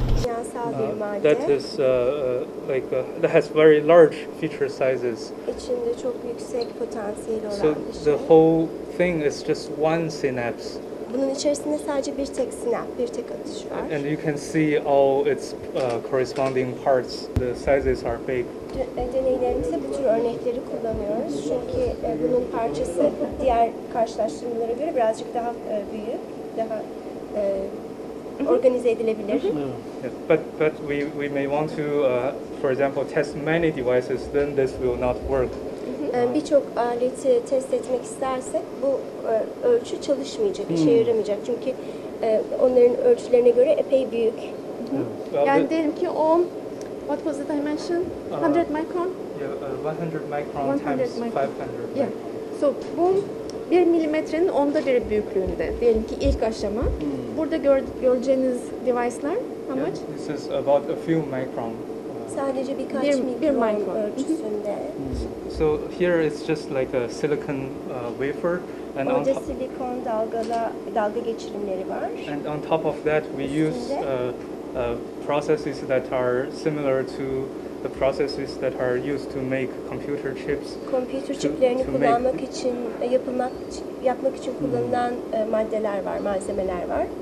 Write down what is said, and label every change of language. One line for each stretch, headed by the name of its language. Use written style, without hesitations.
English: That is like that has very large feature sizes.
Turkish: İçinde çok yüksek potansiyel olan bir şey.
English: So the whole thing is just one synapse.
Turkish: Bunun içerisinde sadece bir tek sinap, bir tek atış var.
English: And you can see all its corresponding parts. The sizes are big.
Turkish: Deneylerimizde bu tür örnekleri kullanıyoruz çünkü bunun parçası diğer karşılaştırmalara göre birazcık daha büyük, daha organize edilebilir.
English: Yeah. But we may want to for example test many devices then this will not work.
Turkish: Birçok aleti test etmek istersek bu ölçü çalışmayacak, işe yaramayacak. Çünkü onların ölçülerine göre epey büyük.
English: Well,
Turkish: yani diyelim ki o
English: what was the dimension? 100 micron? Yeah, 100 micron times 500. Yeah. So
Turkish: bu 1 milimetrenin onda biri büyüklüğünde. Diyelim ki ilk aşama. Burada göreceğiniz device'lar
English: how much? Yeah, this is about a few micron.
Turkish: Sadece birkaç mikron ölçüsünde.
English: So here it's just like a silicon wafer.
Turkish: Orada silikon dalga geçirimleri var.
English: And on top of that we use processes that are similar to the processes that are used to make computer chips.
Turkish: Computer chiplerini kullanmak için yapmak için kullanılan maddeler var, malzemeler var.